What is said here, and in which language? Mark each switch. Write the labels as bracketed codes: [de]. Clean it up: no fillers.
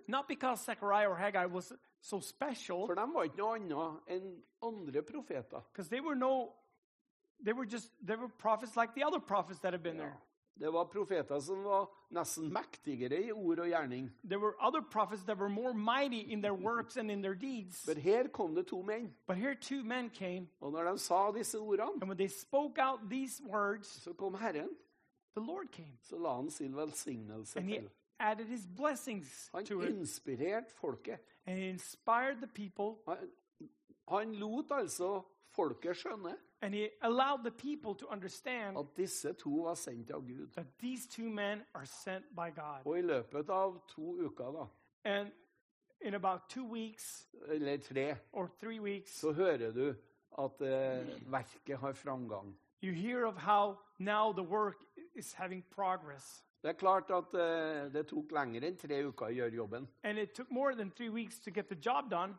[en] Not because Zechariah or Haggai was so special. [no] For de var ikke noe annet enn andre profeter. [en] Because they were prophets like the other prophets that have been there. [no] Det var profeter som var nesten mektigere I ord og gjerning. [en] There were other prophets that were more mighty in their works and in their deeds. [no] But her kom det to menn. [en] But here two men came. [no] Og når de sa disse ordene. [en] And when they spoke out these words. [no] Så kom Herren. [en] The Lord came. [no] Så la han sin velsignelse til. [en] Added his blessings [no] han [en] to it. [no] Han inspirerte folket. [en] And he inspired the people. [no] Han lot altså folket skjønne. [en] And he allowed the people to understand. [no] At disse to var sendt av Gud. [en] That these two men are sent by God. [no] Og I løpet av 2 uker da. [en] And in about 2 weeks. [no] Eller 3. [en] Or 3 weeks. [no] Så hører du at verket har framgang. [en] You hear of how now the work is having progress. [no] Det klart at det tok lenger enn 3 uker å gjøre jobben. [en] And it took more than 3 weeks to get the job done.